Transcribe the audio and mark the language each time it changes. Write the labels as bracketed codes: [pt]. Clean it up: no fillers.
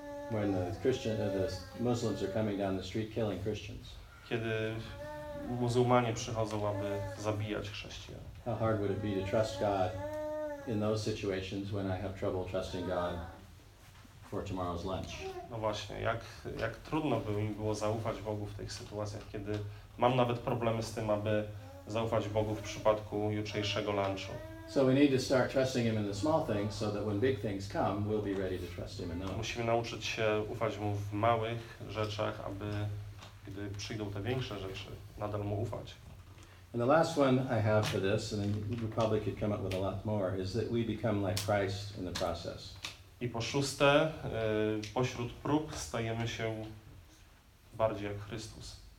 [en] When the Muslims are coming down the street killing Christians. [pl] Kiedy muzułmanie przychodzą, aby zabijać chrześcijan. [en] How hard would it be to trust God in those situations when I have trouble trusting God for tomorrow's lunch. [pl] No właśnie, jak trudno by mi było zaufać Bogu w tych sytuacjach, kiedy mam nawet problemy z tym, aby zaufać Bogu w przypadku jutrzejszego lunchu. [en] So we need to start trusting him in the small things so that when big things come, we'll be ready to trust him in them. [pl] Musimy nauczyć się ufać mu w małych rzeczach, aby gdy przyjdą te większe rzeczy, nadal mu ufać. [en] And the last one I have for this, and you probably could come up with a lot more, is that we become like Christ in the process. [pl] I po szóste, pośród prób stajemy się bardziej jak Chrystus.